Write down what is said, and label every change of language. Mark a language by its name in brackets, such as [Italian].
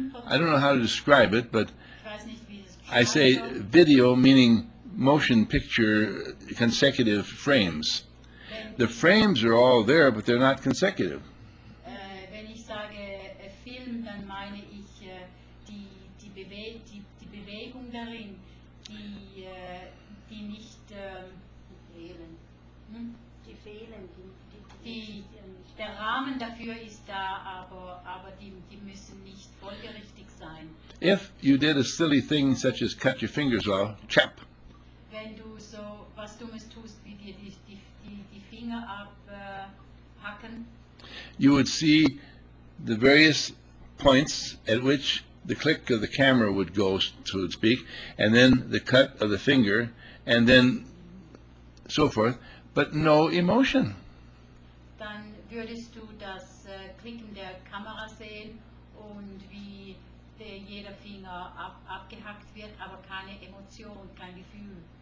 [English] I don't know how to describe it, but I say video, meaning motion picture, consecutive frames. The frames are all there, but they're not consecutive. [German] Wenn ich sage Film, dann meine ich die Bewegung darin, die nicht fehlen. Die fehlen. Der Rahmen dafür ist da, aber die müssen nicht folgerichtig sein. [English] If you did a silly thing such as cut your fingers off, chap. [German] Wenn du so was Dummes tust, wie dir die Finger abhacken, [English] you would see the various points at which the click of the camera would go, so to speak, and then the cut of the finger, and then so forth, but no emotion. [German] Dann würdest du das Klicken der Kamera sehen und wie jeder Finger abgehackt wird, aber keine Emotion, kein Gefühl.